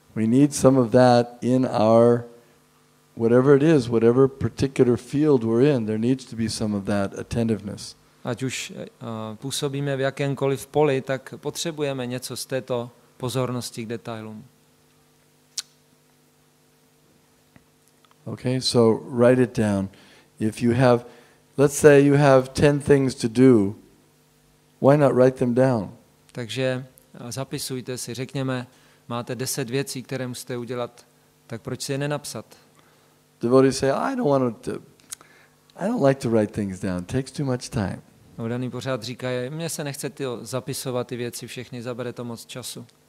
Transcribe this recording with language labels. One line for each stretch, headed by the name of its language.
English: We need some of that in our whatever it is, whatever particular field we're in, there needs to be some of that attentiveness.
Czech: Ať už působíme v jakémkoliv poli, tak potřebujeme něco z této pozornosti k detailům.
English: Okay, so write it down. If you have, let's say you have 10 things to do, why not write them down?
Czech: Takže zapisujte si, řekněme, máte 10 věcí, které musíte udělat, tak proč si je nenapsat?
English: Devotee say, I don't like to write things down. It takes too much time.
Czech: Udaný pořád říká, mně se nechce ty zapisovat ty věci všechny, zabere to moc času.